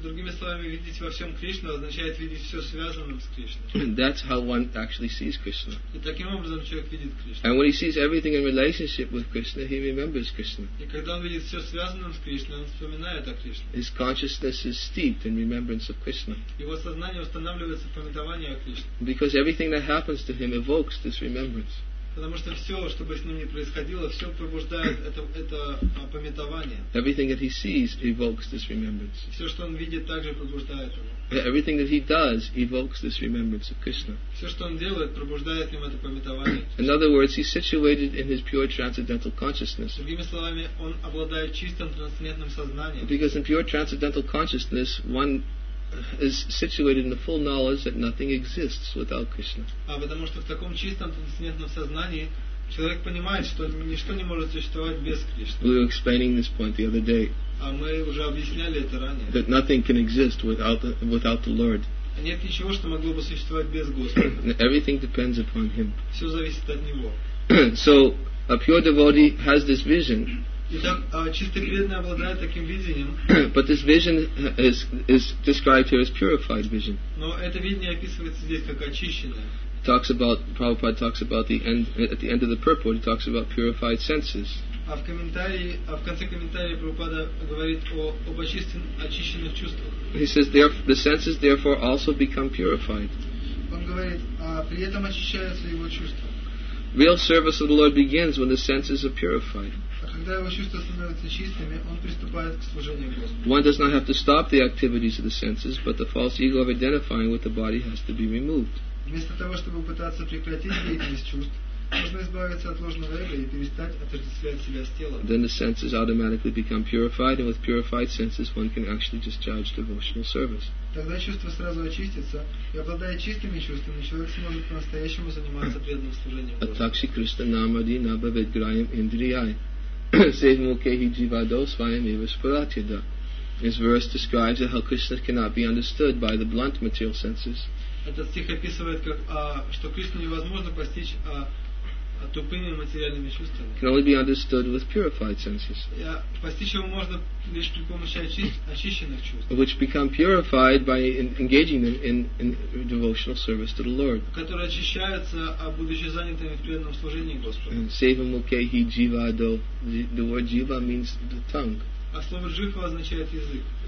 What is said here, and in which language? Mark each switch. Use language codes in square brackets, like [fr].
[ru] Другими словами, видеть во всем Кришну означает видеть все связанным с Кришной. [en] And that's how one actually sees Krishna. [ru] И таким образом человек видит Кришну. [en] And when he sees everything in relationship with Krishna, he remembers Krishna. [ru] И когда он видит все связанным с Кришной, он вспоминает о Кришне. [en] His consciousness is steeped in remembrance of Krishna. [ru] Его сознание устанавливается в памятовании о Кришне. [en] Because everything that happens to him evokes this remembrance. [ru] Потому что все, что бы с ним ни происходило, все пробуждает это памятование. [en] Everything that he sees evokes this remembrance. [ru] Все, что он видит, также пробуждает его. [en] Everything that he does evokes this remembrance of Krishna. [ru] Все, что он делает, пробуждает в нем это памятование. [en] In other words, he's situated in his pure transcendental consciousness. [ru] Другими словами, он обладает чистым трансцендентным сознанием. [en] Because in pure transcendental consciousness, one is situated in the full knowledge that nothing exists without Krishna. [ru] Потому что в таком чистом трансцендентном сознании человек понимает, что ничто не может существовать без Кришны. [en] We were explaining this point the other day. [ru] Мы уже объясняли это ранее. [en] That nothing can exist without the Lord. [ru] Нет ничего, что могло бы существовать без Господа. [en] Everything depends upon him. [ru] Все зависит от него. [en] So a pure devotee has this vision. [ru] Итак, чистопреданный обладает таким видением. [en] But this vision is described here as purified vision. [ru] Но это видение описывается здесь как очищенное. [en] Talks about Prabhupada talks about the end at the end of the purport. He talks about purified senses. [ru] А в комментарии, а в конце комментария Прабхупада говорит о об очищенных чувствах. [en] He says the senses therefore also become purified. [ru] Он говорит, а при этом очищаются его чувства. [en] Real service of the Lord begins when the senses are purified. [ru] А когда его чувства становятся чистыми, он приступает к служению Господу. [en] One does not have to stop the activities of the senses, but the false ego of identifying with the body has to be removed. [ru] Вместо того, чтобы пытаться прекратить деятельность чувств, можно избавиться от ложного эго и перестать отождествлять себя с телом. [en] Then the senses automatically become purified, and with purified senses one can actually discharge devotional service. [ru] Тогда чувства сразу очистятся, и обладая чистыми чувствами, человек сможет по-настоящему заниматься преданным служением. [sa] Атакши Кришна Намади Набавидграем Индрияй. Севму кехи дживадо свайам ивасфаратида. [en] This verse describes how Krishna cannot be understood by the blunt material senses. [ru] Этот стих описывает, как, что Кришну невозможно постичь тупыми материальными чувствами. [en] Can only be understood with purified senses. [ru] Постичь его можно лишь при помощи очищенных чувств. [en] Which become purified by engaging them in devotional service to the Lord. [ru] Которые очищаются, будучи занятыми в преданном служении Господу. [sa] Seva mukhehi jivado. [en] The word jiva means the tongue. [ru] А слово jiva означает язык.